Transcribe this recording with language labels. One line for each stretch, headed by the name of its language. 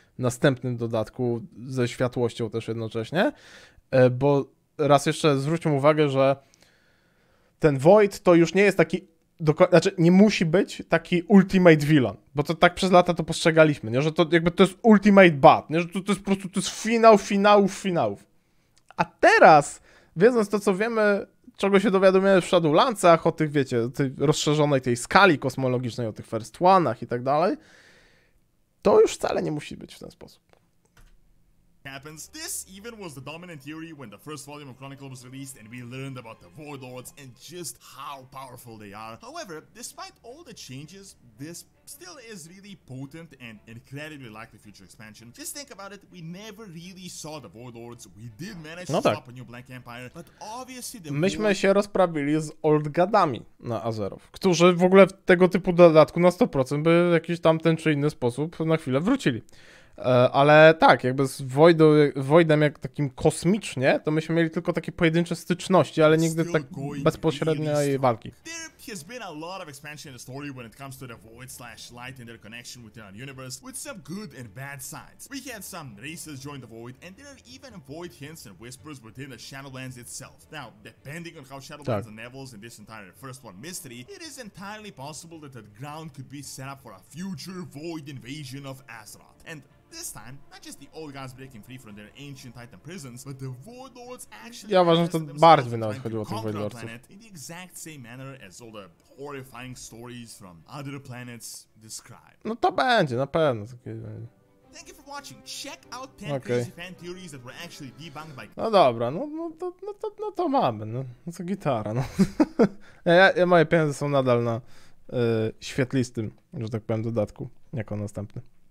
Polish: Następnym dodatku ze światłością też jednocześnie, bo raz jeszcze zwróćmy uwagę, że ten Void to już nie jest taki, znaczy nie musi być taki
English: ultimate villain,
Polish: bo to tak przez lata to postrzegaliśmy, nie? Że to jakby to jest
English: ultimate bad,
Polish: nie? Że to jest po prostu, to jest finał. A teraz, wiedząc to, co wiemy, czego się dowiadujemy w Shadowlandsach, o tych, wiecie, tej rozszerzonej tej skali kosmologicznej, o tych First One'ach i tak dalej, to już wcale nie musi być w ten sposób.
English: Happens. This even was the dominant theory when the first volume of Chronicle was released and we learned about the Void Lords and just how powerful they are. However, despite all the changes, this still is really potent and incredibly likely future expansion. Just think about it, we never really saw the Void Lords. We did manage to stop a new Black Empire, but obviously the
Polish: myśmy się rozprawili z Old Godami na Azeroth, którzy w ogóle w tego typu dodatku na 100% by w jakiś tam ten czy inny sposób na chwilę wrócili. Ale tak, jakby z Voidem jak takim kosmicznie, to myśmy mieli tylko takie pojedyncze styczności, ale nigdy tak bezpośredniej walki.
English: There has been a lot of expansion in the story when it comes to the Void slash Light and their connection with the universe, with some good and bad sides. We had some races join the Void, and there are even Void hints and whispers within the Shadowlands itself. Now, depending on how Shadowlands unravels in this entire First One mystery, it is entirely possible that the ground could be set up for a future Void invasion of Azeroth. And this time, not just the old guys breaking free from their ancient Titan prisons, but the Void Lords actually...
Polish: Ja uważam, że to bardziej nawet chodziło o tych Void Lordsów.
English: ...in the exact same manner as all the horrifying stories from other planets describe.
Polish: No to będzie, na pewno.
English: Thank you for watching. Check out 10 crazy fan theories that were actually debunked by...
Polish: No dobra, no to mamy, no co gitara, no. ja moje pieniądze są nadal na świetlistym, że tak powiem, dodatku, jako następny.